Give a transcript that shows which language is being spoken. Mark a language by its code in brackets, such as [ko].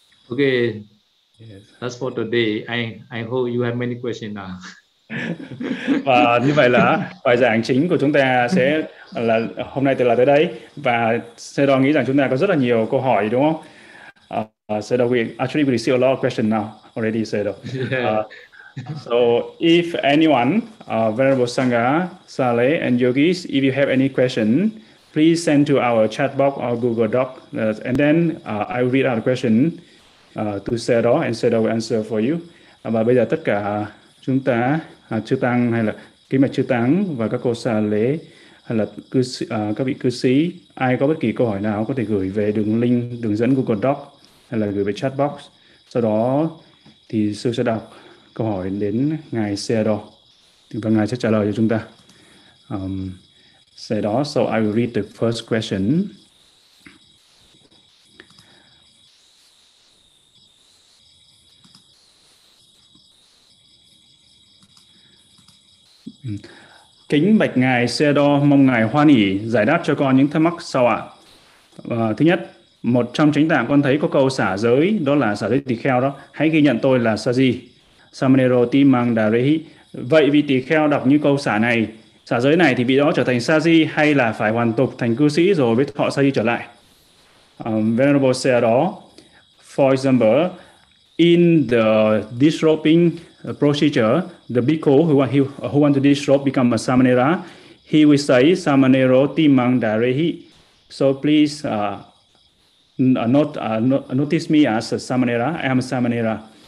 [en] Okay. Yes. That's for today. I hope you have many questions now. [vi] Và như vậy là bài giảng chính của chúng ta sẽ là hôm nay từ là tới đây, và sẽ đo nghĩ rằng chúng ta có rất là nhiều câu hỏi đúng không? [en] So we actually we see a lot of questions now already, so yeah. So if anyone, Venerable Sangha, Sale and Yogis, if you have any question, please send to our chat box or Google Doc, and then I will read out the question to Sero, and Sero will answer for you. [vi] Và bây giờ tất cả chúng ta, Chư Tăng hay là Kính Bạch Chư Tăng và các cô Sa Lễ hay là các vị cư sĩ, ai có bất kỳ câu hỏi nào có thể gửi về đường link, đường dẫn Google Doc hay là gửi về chat box. Sau đó thì sư sẽ đọc câu hỏi đến Ngài Sero và Ngài sẽ trả lời cho chúng ta. Sau đó, [en] so I will read the first question. [vi] Kính bạch Ngài Sero, mong Ngài hoan hỷ giải đáp cho con những thắc mắc sau ạ. Thứ nhất, một trong chánh tạng con thấy có câu xả giới, đó là xả giới tỳ kheo đó. Hãy ghi nhận tôi là Saji. [pi] Samanero timang darehi. [vi] Vậy vì tỳ kheo đọc như câu xả này, xả giới này thì vị đó trở thành Saji hay là phải hoàn tục thành cư sĩ rồi với họ Saji trở lại? [en] Venerable Sero, for example, in the disrobing procedure, the bhikkhu who want to disrobe become a samanera, he will say [pi] samanero timang darehi. [en] So please notice me as a samanera. I am a samanera.